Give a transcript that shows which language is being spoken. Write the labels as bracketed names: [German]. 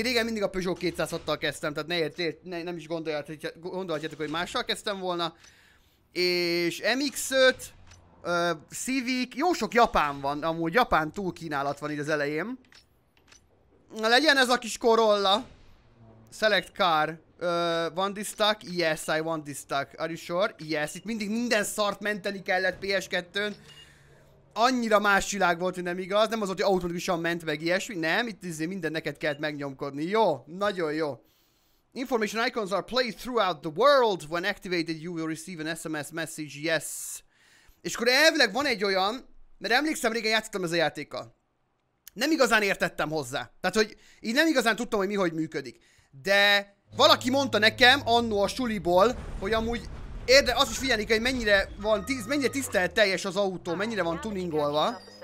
[Hungarian] Régen mindig a Peugeot 206-tal kezdtem, tehát nem is gondoljátok, hogy mással kezdtem volna. és MX-5, Civic, jó sok japán van, amúgy japán túlkínálat van itt az elején. Na legyen ez a kis Corolla. [English] Select car, van this stock? Yes, I want this stock. Are you sure? [Hungarian] Yes, itt mindig minden szart menteni kellett PS2-n. Annyira más világ volt, hogy nem igaz, nem az volt, hogy automatikusan ment meg ilyesmi, nem, itt azért minden neked kellett megnyomkodni, jó, nagyon jó. [English] Information icons are placed throughout the world, when activated you will receive an SMS message, yes. [Hungarian] És akkor elvileg van egy olyan, mert emlékszem régen játszottam ez a játékkal. Nem igazán értettem hozzá, tehát hogy így nem igazán tudtam, hogy mi hogy működik. De valaki mondta nekem anno a suliból, hogy amúgy... Érdekes, azt is figyelni kell, hogy mennyire van mennyire tisztelt teljes az autó, mennyire van tuningolva.